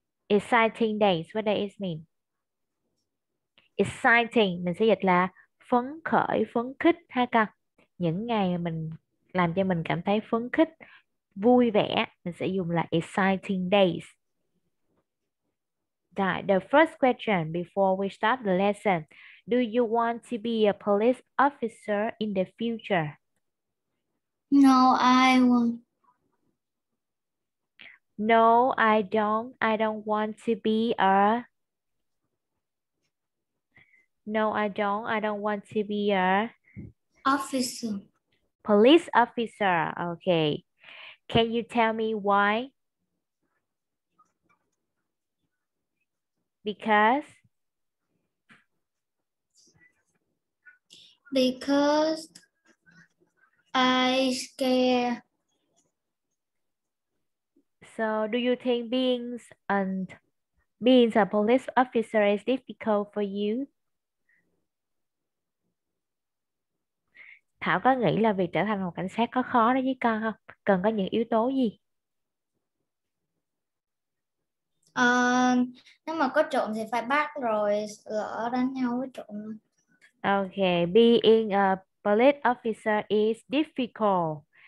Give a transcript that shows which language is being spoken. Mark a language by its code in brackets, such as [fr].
[en] Exciting days, what does it mean? [vi] Exciting, mình sẽ dịch là phấn khởi, phấn khích ha con. Những ngày mình làm cho mình cảm thấy phấn khích, vui vẻ, mình sẽ dùng là exciting days. [en] Rồi, the first question before we start the lesson. Do you want to be a police officer in the future? No, No, I don't want to be a No, I don't want to be a officer. police officer. Okay. Can you tell me why? Because Because I scare. So, do you think being a police officer is difficult for you? [vi] Thảo có nghĩ là việc trở thành một cảnh sát có khó đối với con không? Cần có những yếu tố gì? Nếu mà có trộm thì phải bắt rồi lỡ đánh nhau với trộm. [en] Okay, being a police officer is difficult.